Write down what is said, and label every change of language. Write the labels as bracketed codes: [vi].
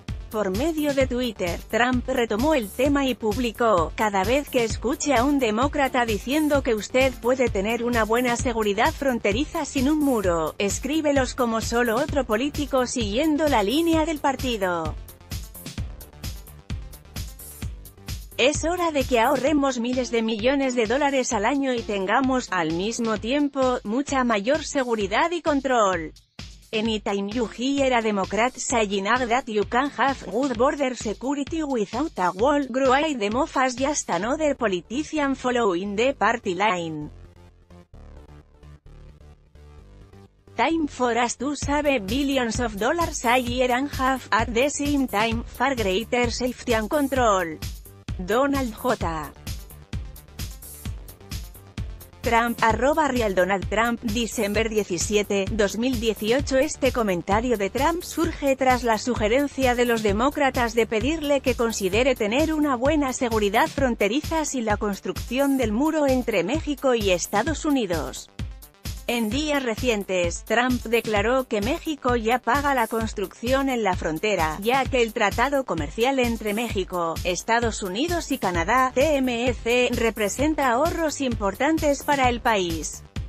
[es] Por medio de Twitter, Trump retomó el tema y publicó: "Cada vez que escuche a un demócrata diciendo que usted puede tener una buena seguridad fronteriza sin un muro, escríbelos como solo otro político siguiendo la línea del partido. Es hora de que ahorremos miles de millones de dólares al año y tengamos, al mismo tiempo, mucha mayor seguridad y control. [en] Anytime you hear a Democrat saying that you can have good border security without a wall, great demofas just another politician following the party line. Time for us to save billions of dollars a year and have, at the same time, far greater safety and control. Donald J. [es] Trump, arroba Real Donald Trump, [en] December 17, 2018. [es] Este comentario de Trump surge tras la sugerencia de los demócratas de pedirle que considere tener una buena seguridad fronteriza sin la construcción del muro entre México y Estados Unidos. En días recientes, Trump declaró que México ya paga la construcción en la frontera, ya que el Tratado Comercial entre México, Estados Unidos y Canadá, TMEC, representa ahorros importantes para el país.